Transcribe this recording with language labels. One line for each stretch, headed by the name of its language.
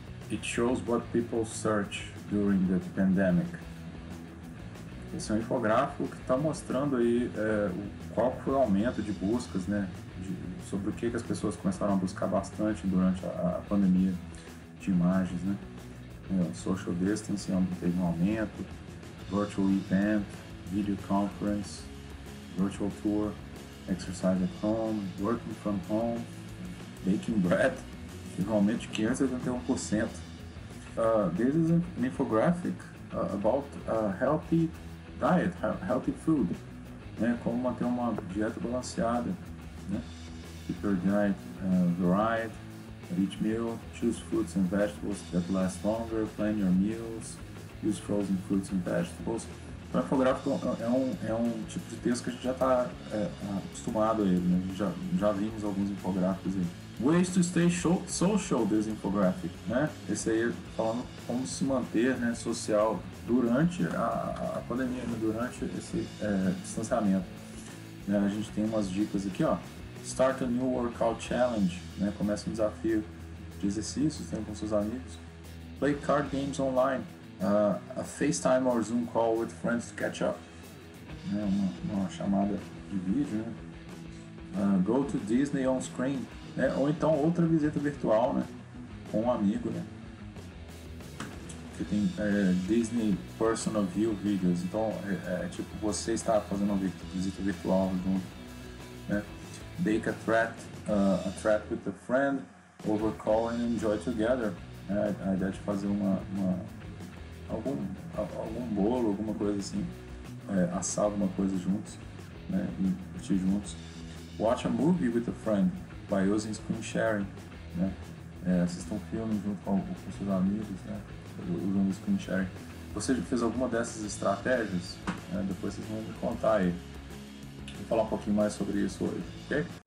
English: It shows what people search during the pandemic.
Portuguese: Esse é um infográfico que está mostrando aí qual foi o aumento de buscas, né? Sobre o que as pessoas começaram a buscar bastante durante a pandemia de imagens, né?
English: Social distancing
Portuguese: teve um aumento,
English: virtual event, video conference, virtual tour, exercise at home, working from home, baking bread,
Portuguese: teve um aumento de 581%.
English: This is an infographic about a healthy diet, healthy food, né?
Portuguese: Como manter uma dieta balanceada, né?
English: Keep your diet varied at each meal, choose fruits and vegetables that last longer, plan your meals, use frozen fruits and vegetables.
Portuguese: Então, o infográfico é um tipo de texto que a gente já está acostumado a ele, né? Já vimos alguns infográficos aí.
English: Ways to stay social, this infographic,
Portuguese: né? Esse aí é falando como se manter, né, social durante a pandemia, né? Durante esse distanciamento. Né? A gente tem umas dicas aqui, ó.
English: Start a new workout challenge, né?
Portuguese: Começa um desafio de exercícios, tem com seus amigos.
English: Play card games online, a FaceTime or Zoom call with friends to catch up, né?
Portuguese: Uma chamada de vídeo, né?
English: Go to Disney on screen,
Portuguese: né? Ou então outra visita virtual, né? Com um amigo, né? Que tem Disney Personal View videos, então tipo você está fazendo uma visita virtual junto, né?
English: Bake a threat with a friend, over call and enjoy together.
Portuguese: É, a ideia de fazer algum bolo, alguma coisa assim, assar alguma coisa juntos, né, e curtir juntos.
English: Watch a movie with a friend by using screen sharing.
Portuguese: Né, assista um filme junto com seus amigos, né, usando screen sharing. Você já fez alguma dessas estratégias? Né, depois vocês vão me contar aí. Vou falar um pouquinho mais sobre isso hoje, ok?